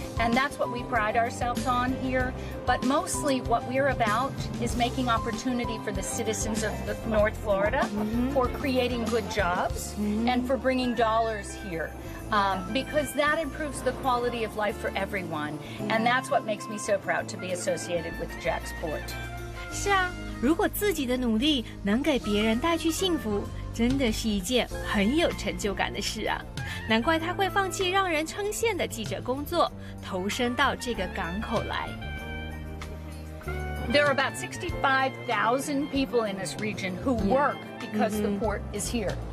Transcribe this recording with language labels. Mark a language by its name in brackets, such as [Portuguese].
[English] And that's what we pride ourselves on here. But mostly what we're about is making opportunity for the citizens of North Florida, for creating good jobs, and for bringing dollars here. Because that improves the quality of life for everyone. And that's what makes me so proud to be associated with Jacksport. [Chinese] 是啊，如果自己的努力能给别人带去幸福，真的是一件很有成就感的事啊。难怪他会放弃让人称羡的记者工作，投身到这个港口来。 [English] There are about 65,000 people in this region who work because the port is here.